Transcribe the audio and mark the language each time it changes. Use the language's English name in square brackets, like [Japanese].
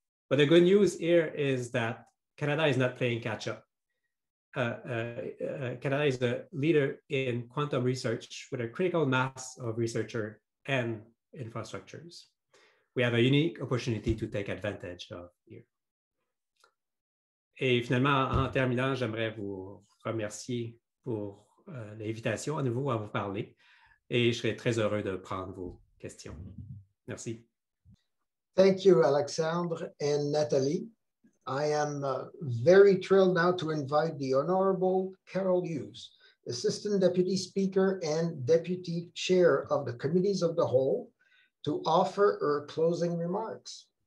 [English] But the good news here is that Canada is not playing catch up. Canada is the leader in quantum research with a critical mass of researchers and infrastructures. We have a unique opportunity to take advantage of here. [French] Et finalement, en terminant, j'aimerais vous remercier pour l'invitation à nouveau à vous parler et je serai très heureux de prendre vos questions. Merci. [English] Thank you, Alexandre and Nathalie. I am very thrilled now to invite the Honorable Carol Hughes, Assistant Deputy Speaker and Deputy Chair of the Committees of the Whole, to offer her closing remarks.